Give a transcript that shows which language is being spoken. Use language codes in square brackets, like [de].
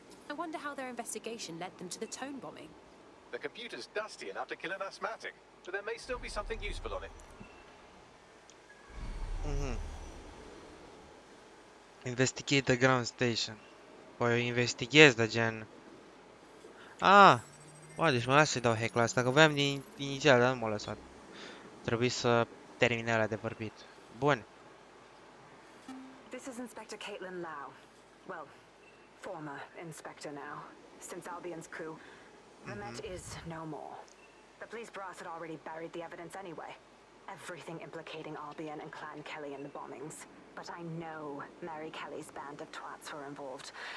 [en] I wonder how their investigation led them to the tone bombing. The computer's dusty enough to kill an asthmatic, but there may still be something useful on it. Investigate the ground station. [ro] Poi investighez, da, gen... Ah! Bă, deci mă las să-i dau hack-ul ăsta, că voiam din inițial, dar nu m-a lăsat. Trebuie să termine ăla de vorbit. Bun. [en] This is Inspector Caitlin Lau. Well, former inspector now, since Albion's coup. The Met is no more. The police brass had already buried the evidence anyway. Everything implicating Albion and Clan Kelly in the bombings. But I know Mary Kelly's band of twats were involved.